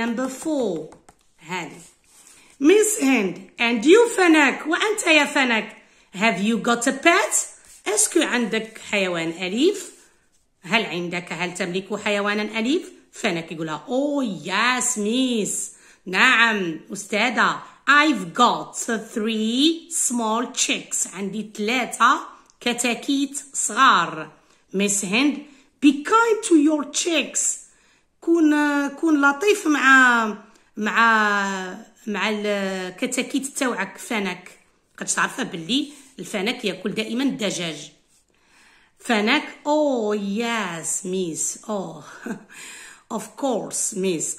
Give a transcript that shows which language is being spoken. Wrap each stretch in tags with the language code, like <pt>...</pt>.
<en>scene number 4</en> <ar>هذه Miss Hind and you فنك، وانت يا فنك</ar> <en>have you got a pet،</en> <ar>اسكو عندك حيوان أليف، هل عندك هل تملك حيوانا أليف؟ فنك يقولها</ar> <en>oh yes miss،</en> <ar>نعم أستاذة.</ar> <en>I've got three small chicks.</en> <ar>عندي ثلاثة كتاكيت صغار.</ar> <en>Miss Hind, be kind to your chicks.</en> <ar>كون لطيف مع مع مع الكتاكيت تاوعك فنك. قدش تعرف باللي الفنك يأكل دائما الدجاج.</ar> <en>فنك. Oh yes, Miss. Oh, of course, Miss.</en>